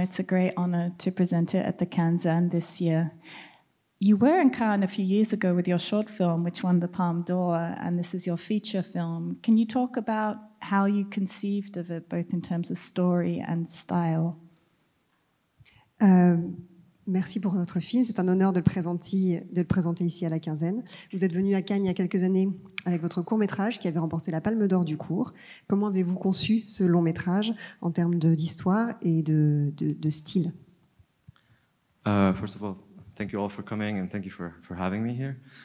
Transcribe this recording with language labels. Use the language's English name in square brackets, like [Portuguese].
[English] It's a great honor to present it at the Cannes and this year. You were in Cannes a few years ago with your short film, which won the Palme d'Or, and this is your feature film. Can you talk about how you conceived of it, both in terms of story and style? [French] Merci pour notre film. C'est un honneur de le présenter ici à la quinzaine. Vous êtes venu à Cannes il y a quelques années avec votre court-métrage qui avait remporté la Palme d'Or du cours. Comment avez-vous conçu ce long-métrage en termes d'histoire et de style? [English] First of all, thank you all for coming and thank you for having me here.